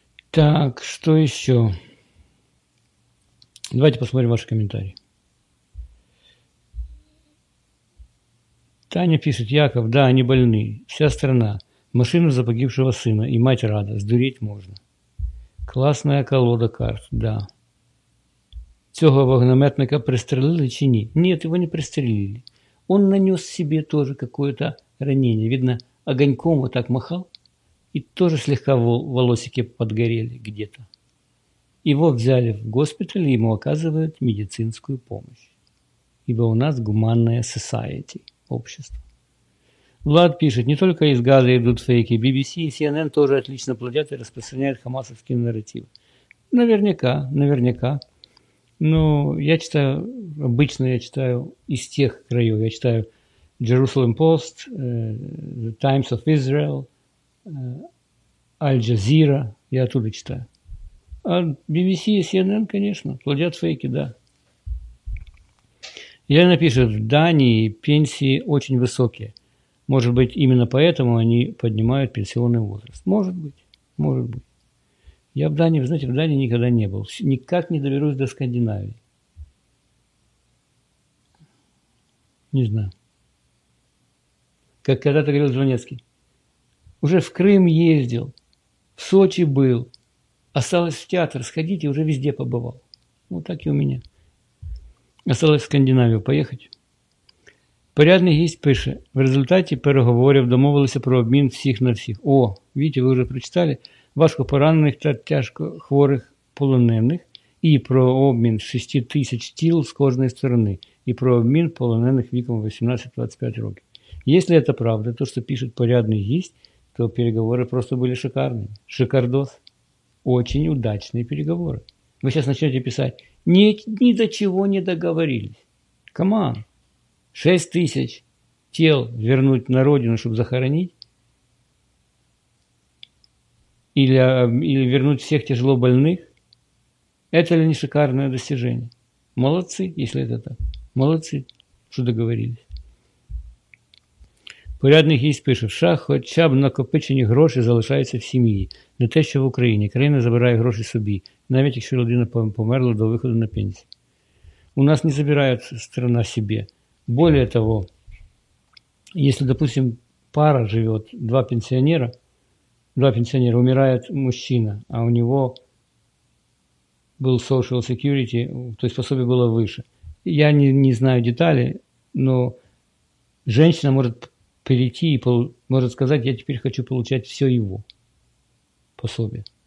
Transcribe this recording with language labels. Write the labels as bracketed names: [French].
[Russian] Так, что еще? Давайте посмотрим ваши комментарии. Таня пишет, Яков, да, они больны, вся страна. Машина за погибшего сына, и мать рада, сдуреть можно. Классная колода карт, да. [Ukrainian] Цього вогнометника пристрелили чи ні? [Russian] Нет, его не пристрелили. Он нанес себе тоже какое-то ранение. Видно, огоньком вот так махал, и тоже слегка волосики подгорели где-то. Его взяли в госпиталь, и ему оказывают медицинскую помощь. Ибо у нас гуманное society, общество. Влад пишет, не только из Газа идут фейки, BBC и CNN тоже отлично плодят и распространяют хамасовские нарративы. Наверняка, наверняка. Но я читаю, обычно я читаю из тех краев. Я читаю Jerusalem Post, The Times of Israel, Al-Jazeera, я оттуда читаю. А BBC и CNN, конечно, плодят фейки, да. Елена пишет, в Дании пенсии очень высокие. Может быть, именно поэтому они поднимают пенсионный возраст. Может быть, может быть. Я в Дании, вы знаете, в Дании никогда не был. Никак не доберусь до Скандинавии. Не знаю. Как когда-то говорил Жванецкий. Уже в Крым ездил, в Сочи был. Осталось в театр сходить и уже везде побывал. Вот так и у меня. Осталось в Скандинавию поехать. [Ukrainian] Порядний гість пише, в результаті переговорів домовилися про обмін всіх на всіх. [Russian] О, видите, [Ukrainian] ви вже прочитали, важко поранених та тяжко хворих полонених і про обмін 6 тисяч тіл з кожної сторони і про обмін полонених віком 18-25 років. Якщо це правда, то, що пише порядний гість, то переговори просто були шикарними. Шикардос. [Russian] Очень [Ukrainian] удачні переговори. Ви зараз почнете писати, ні до чого не договорились. [English] Каман. [Russian] 6 тысяч тел вернуть на родину, чтобы захоронить? Или вернуть всех тяжело больных? Это ли не шикарное достижение? Молодцы, если это так. Молодцы, что договорились. [Ukrainian] Порядный гість пише, в США хоча б накопичені гроші залишаються в сім'ї. Не те, що в Україні. Країна забирає гроші собі, навіть якщо людина померла до виходу на пенсію. [Russian] У нас не забирает страна себе. Более того, если, допустим, пара живет, два пенсионера, умирает мужчина, а у него был social security, то есть пособие было выше. я не знаю детали, но женщина может перейти и может сказать: я теперь хочу получать все его пособие.